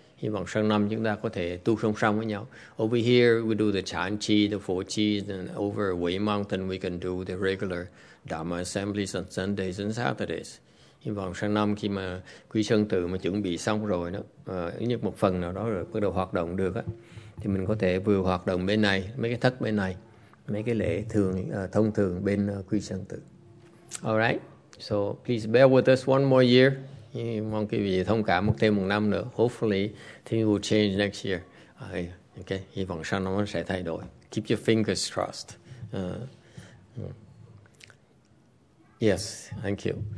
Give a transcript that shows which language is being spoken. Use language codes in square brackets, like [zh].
[vi] Hy vọng sang năm chúng ta có thể tu song song với nhau. [en] Over here, we do the Chan Chi, the Four Chi, and over Wei Mountain, we can do the regular Dharma assemblies on Sundays and Saturdays. [vi] Hy vọng sang năm khi mà Quy Sơn Tự mà chuẩn bị xong rồi đó, ít nhất một phần nào đó rồi bắt đầu hoạt động được á, thì mình có thể vừa hoạt động bên này, mấy cái thất bên này, mấy cái lễ thường thông thường bên Quy Sơn Tự. [en] Alright, so please bear with us one more year. [vi] Hy mong quý vị thông cảm một thêm một năm nữa. [en] Hopefully things will change next year. [vi] Okay, hy vọng sang năm nó sẽ thay đổi. [en] Keep your fingers crossed. Yes, thank you.